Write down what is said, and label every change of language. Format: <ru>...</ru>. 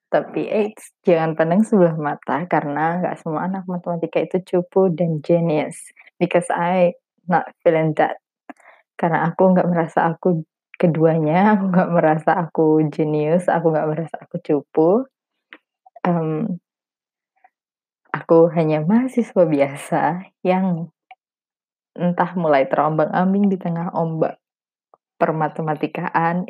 <id>Tapi, jangan pandang sebelah mata, karena nggak semua anak Matematika itu cupu dan jenius.</id> <en>Because I not feeling that.</en> <id>Karena aku nggak merasa aku keduanya, aku nggak merasa aku jenius, aku nggak merasa aku cupu. Aku hanya mahasiswa biasa yang entah mulai terombang-ambing di tengah ombak permatematikaan.</id>